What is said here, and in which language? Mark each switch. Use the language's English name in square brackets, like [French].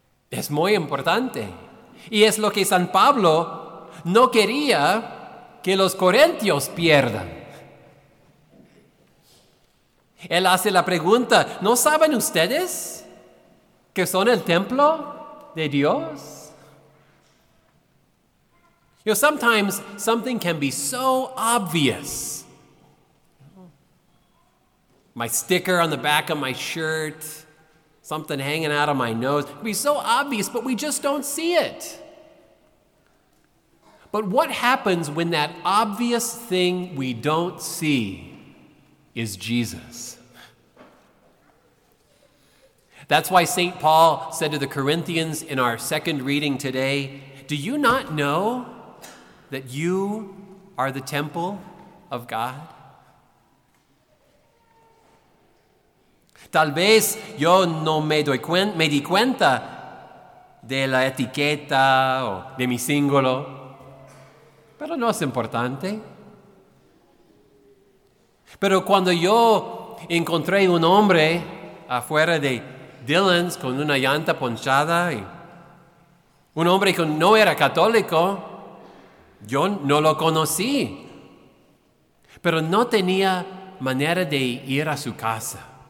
[Spanish] Es muy importante. Y es lo que San Pablo no quería que los corintios pierdan. Él hace la pregunta: ¿no saben ustedes que son el templo de Dios? [English] You know, sometimes something can be so obvious. My sticker on the back of my shirt, something hanging out of my nose. It can be so obvious, but we just don't see it. But what happens when that obvious thing we don't see is Jesus? That's why St. Paul said to the Corinthians in our second reading today, "Do you not know that you are the temple of God?" [Spanish] Tal vez yo no me di cuenta de la etiqueta o de mi símbolo, pero no es importante. Pero cuando yo encontré un hombre afuera de Dylan's con una llanta ponchada, y un hombre que no era católico, yo no lo conocí, pero no tenía manera de ir a su casa.